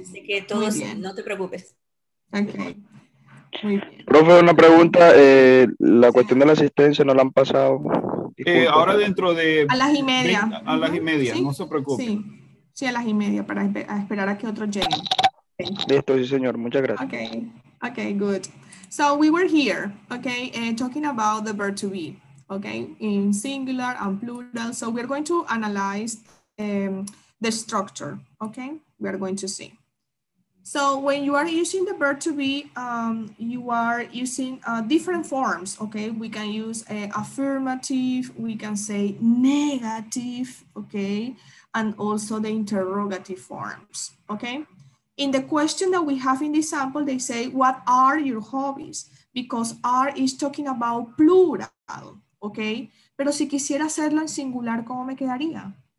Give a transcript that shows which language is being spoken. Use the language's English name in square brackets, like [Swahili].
[Spanish] Así que todo, no te preocupes. Okay. Profe, una pregunta, la cuestión de la asistencia no la han pasado. Ahora dentro de... A las y media. A las y media, ¿sí? No se preocupe. Sí. Sí, a las y media, para esperar a que otro llegue. Listo, sí señor, muchas gracias. [English] Okay, good. So we were here, okay, talking about the verb to be. Okay, in singular and plural. So we're going to analyze the structure. Okay, we are going to see. So when you are using the verb to be, you are using different forms. Okay, we can use affirmative, we can say negative, okay, and also the interrogative forms. Okay, in the question that we have in this sample, they say, what are your hobbies? Because are is talking about plural. [Spanish] Ok, pero si quisiera hacerlo en singular, ¿cómo me quedaría?